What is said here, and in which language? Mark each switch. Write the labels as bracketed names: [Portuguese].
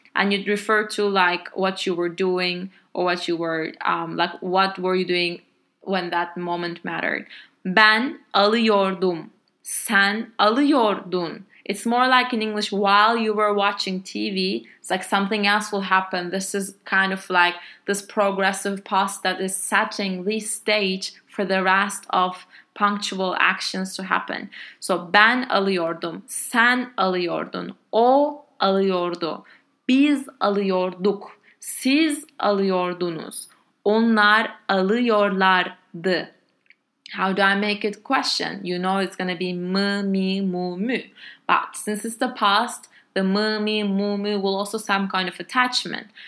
[English] And you'd refer to like what you were doing or what you were, like what were you doing when that moment mattered. [Turkish] Ben alıyordum. Sen alıyordun. [English] It's more like in English, while you were watching TV, it's like something else will happen. This is kind of like this progressive pause that is setting the stage for the rest of punctual actions to happen. [Turkish] So ben alıyordum, sen alıyordun, o alıyordu, biz alıyorduk, siz alıyordunuz, onlar alıyorlardı. [English] How do I make it question? You know it's going to be mı, mi, mu, mü. But since it's the past, the mı, mi, mu, mü will also some kind of attachment.